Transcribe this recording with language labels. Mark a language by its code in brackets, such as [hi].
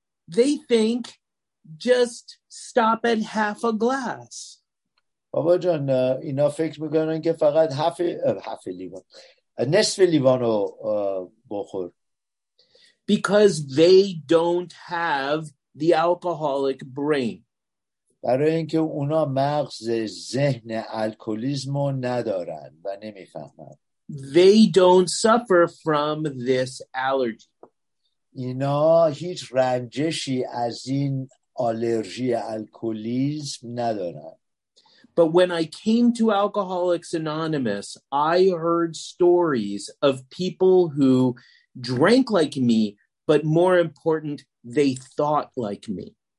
[en] They think just stop at half a glass. [fa] بابا جان اینا فکر میکنن که فقط half لیوان نصف لیوانو بخور. [en] Because they don't have the alcoholic brain. [fa] برای اینکه اونا مغز ذهن الکلیزمو ندارن و نمیفهمن. [en] They don't suffer from this allergy. [fa] اینا هیچ رنجشی از این آلرژی الکلیزم ندارن. [en] But when I came to Alcoholics Anonymous, I heard stories of people who drank like me, but more important, they thought like me.